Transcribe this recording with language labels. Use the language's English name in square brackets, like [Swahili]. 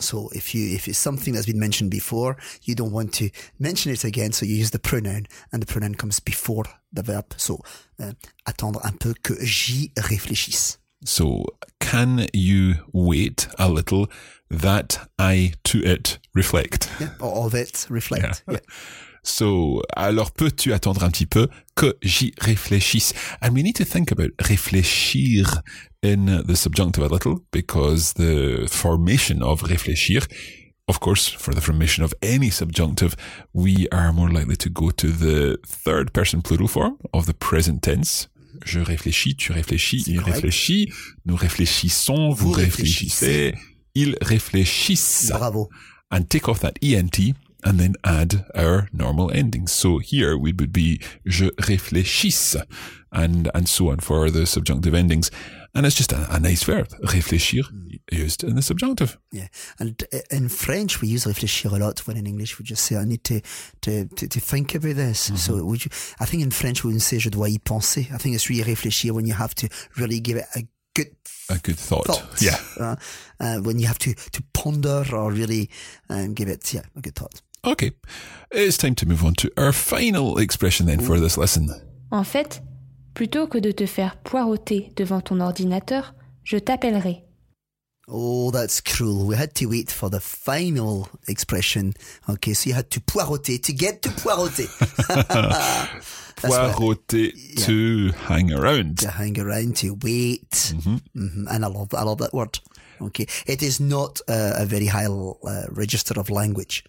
[English] So, if it's something that's been mentioned before, you don't want to mention it again, so you use the pronoun, and the pronoun comes before the verb. [French] So, attendre un peu que j'y réfléchisse. [English] So, can you wait a little that I, to it, reflect? Yeah, or of it, reflect. Yeah. [French] So, alors peux-tu attendre un petit peu que j'y réfléchisse? [English] And we need to think about réfléchir in the subjunctive a little, because the formation of réfléchir, of course, for the formation of any subjunctive, we are more likely to go to the third person plural form of the present tense. [French] Je réfléchis, tu réfléchis, il réfléchit, nous réfléchissons, vous réfléchissez, ils réfléchissent. Bravo. [English] And take off that ENT. and then add our normal endings. So here we would be je réfléchisse, and so on for the subjunctive endings. And it's just a nice verb, réfléchir, used in the subjunctive. Yeah, and in French we use réfléchir a lot, when in English we just say I need to think about this. Mm-hmm. So would you, I think in French we wouldn't say [French] je dois y penser. [English] I think it's really réfléchir when you have to really give it a good thought. Yeah. When you have to ponder or really give it a good thought. Okay, it's time to move on to our final expression then for this lesson. [French] En fait, plutôt que de te faire poireauter devant ton ordinateur, je t'appellerai. [English] Oh, that's cruel. We had to wait for the final expression. Okay, so you had to poireauter, to get to poireauter. Poireauter, to hang around. To hang around, to wait. Mm-hmm. Mm-hmm. And I love that word. Okay, it is not a very high register of language.